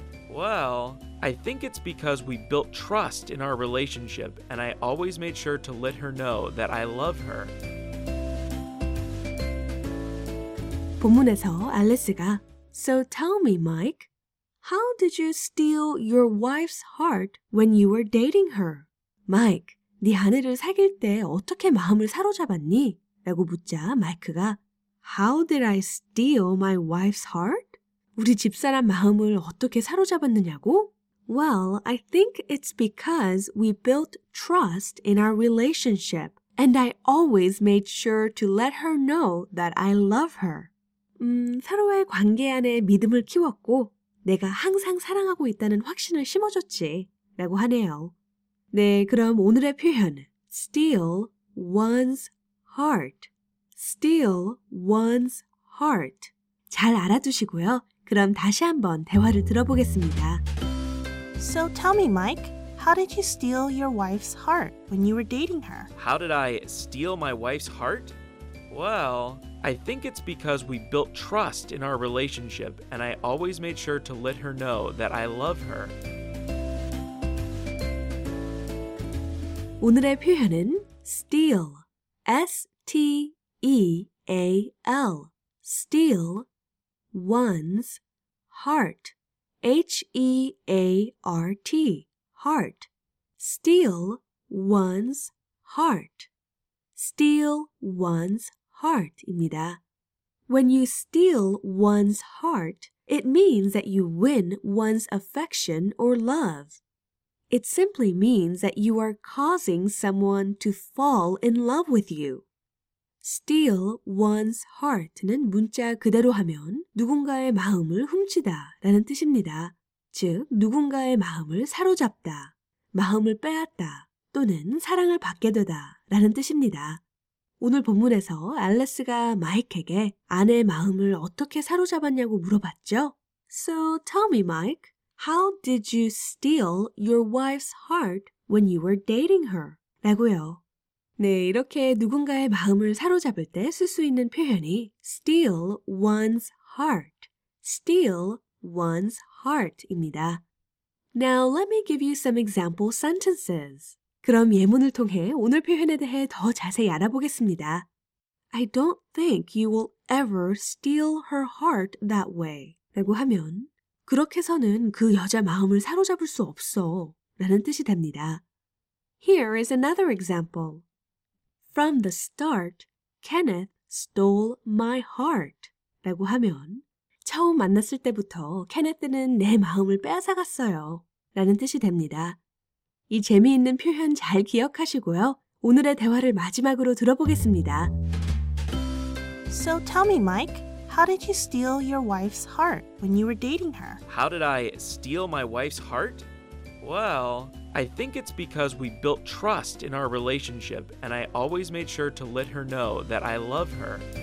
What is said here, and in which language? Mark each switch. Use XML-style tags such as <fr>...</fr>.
<en>Well, I think it's because we built trust in our relationship, and I always made sure to let her know that I love her.</en> <ko>본문에서 알리스가,</ko> <en>So tell me, Mike, How did you steal your wife's heart when you were dating her?</en> <ko>Mike, 네 아내를 사귈 때 어떻게 마음을 사로잡았니? 라고 묻자 마이크가</ko> <en>How did I steal my wife's heart?</en> <ko>우리 집사람 마음을 어떻게 사로잡았느냐고?</ko> <en>Well, I think it's because we built trust in our relationship, and I always made sure to let her know that I love her.</en> <ko>서로의 관계 안에 믿음을 키웠고, 내가 항상 사랑하고 있다는 확신을 심어줬지, 라고 하네요. 네, 그럼 오늘의 표현,</ko> <en>steal one's heart. Steal one's heart.</en> <ko>잘 알아두시고요. 그럼 다시 한번 대화를 들어보겠습니다.</ko> <en>So tell me, Mike, how did you steal your wife's heart when you were dating her? How did I steal my wife's heart? Well, I think it's because we built trust in our relationship, and I always made sure to let her know that I love her.</en> <ko>오늘의 표현은</ko> <en>steal, S-T-E-A-L, steal one's heart. H-E-A-R-T, heart. Steal one's heart. Steal one's heart입니다. When you steal one's heart, it means that you win one's affection or love. It simply means that you are causing someone to fall in love with you. Steal one's heart는</en> <ko>문자 그대로 하면 누군가의 마음을 훔치다 라는 뜻입니다. 즉, 누군가의 마음을 사로잡다, 마음을 빼앗다 또는 사랑을 받게 되다 라는 뜻입니다. 오늘 본문에서 앨리스가 마이크에게 아내의 마음을 어떻게 사로잡았냐고 물어봤죠. So tell me, Mike, how did you steal your wife's heart when you were dating her? 라고요. 네, 이렇게 누군가의 마음을 사로잡을 때 쓸 수 있는 표현이</ko> <en>steal one's heart, steal one's heart</en> <ko>입니다.</ko> <en>Now let me give you some example sentences.</en> <ko>그럼 예문을 통해 오늘 표현에 대해 더 자세히 알아보겠습니다.</ko> <en>I don't think you will ever steal her heart that way.</en> <ko>라고 하면 그렇게서는 그 여자 마음을 사로잡을 수 없어 라는 뜻이 됩니다.</ko> <en>Here is another example. From the start, Kenneth stole my heart.</en> <ko>라고 하면 처음 만났을 때부터 케네스는 내 마음을 빼앗아갔어요. 라는 뜻이 됩니다. 이 재미있는 표현 잘 기억하시고요. 오늘의 대화를 마지막으로 들어보겠습니다.</ko> <en>So tell me, Mike, how did you steal your wife's heart when you were dating her? How did I steal my wife's heart? Well, I think it's because we built trust in our relationship, and I always made sure to let her know that I love her.</en>